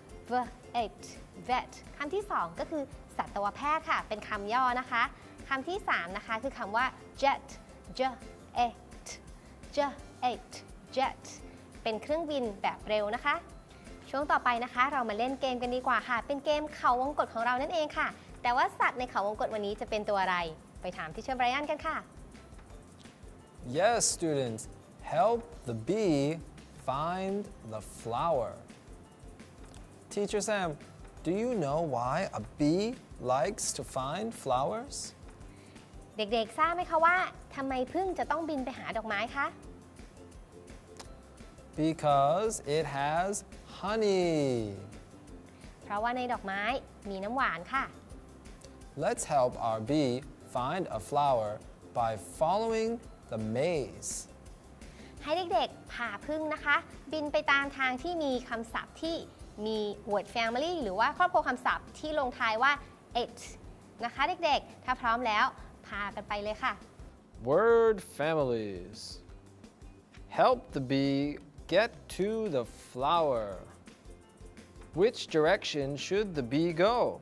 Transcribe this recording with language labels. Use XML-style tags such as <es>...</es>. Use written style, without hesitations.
<th>vet vet คำที่2ก็คือสัตวแพทย์ค่ะเป็นคำย่อนะคะคำที่3นะคะคือคำว่า jet jet jet jet เป็นเครื่องบินแบบเร็วนะคะช่วงต่อไปนะคะเรามาเล่นเกมกันดีกว่าค่ะเป็นเกมเขาวงกตของเรานั่นเองค่ะแต่ว่าสัตว์ในเขาวงกตวันนี้จะเป็นตัวอะไรไปถามที่เชิญไบรอันกันค่ะ</th> <en>Yes students help the bee find the flower Teacher SamDo you know why a bee likes to find flowers?</en> <th>เด็กๆทราบไหมคะว่าทำไมผึ้งจะต้องบินไปหาดอกไม้คะ</th> <en>Because it has honey.</en> <th>เพราะว่าในดอกไม้มีน้ำหวานค่ะ</th> <en>Let's help our bee find a flower by following the maze.</en> <th>ให้เด็กๆพาผึ้งนะคะบินไปตามทางที่มีคำศัพท์ที่มี word family หรือว่าครอบครัวคำศัพท์ที่ลงท้ายว่า et นะคะเด็กๆถ้าพร้อมแล้วพากันไปเลยค่ะ</th> <en>word families help the bee get to the flower which direction should the bee go</en>